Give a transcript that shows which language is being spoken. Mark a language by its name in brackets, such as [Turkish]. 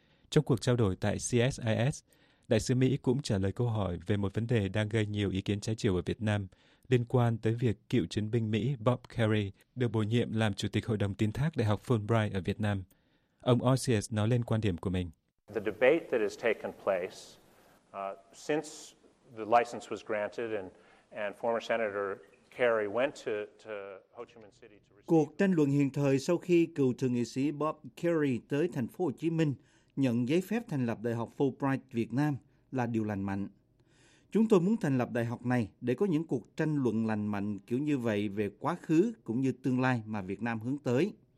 [Vietnamese] Trong cuộc trao đổi tại CSIS, đại sứ Mỹ cũng trả lời câu hỏi về một vấn đề đang gây nhiều ý kiến trái chiều ở Việt Nam liên quan tới việc cựu chiến binh Mỹ Bob Kerry được bổ nhiệm làm Chủ tịch Hội đồng Tín thác Đại học Fulbright ở Việt Nam. Ông Osius nói lên quan điểm của mình. [English] The debate that has taken place since the license was granted and former Senator Kerry went to Ho Chi Minh City to receive. [Vietnamese] Cuộc tranh luận hiện thời sau khi cựu thượng nghị sĩ Bob Kerry tới thành phố Hồ Chí Minh nhận giấy phép thành lập Đại học Fulbright Việt Nam là điều lành mạnh. Chúng tôi muốn thành lập đại học này để có những cuộc tranh luận lành mạnh kiểu như vậy về quá khứ cũng như tương lai mà Việt Nam hướng tới.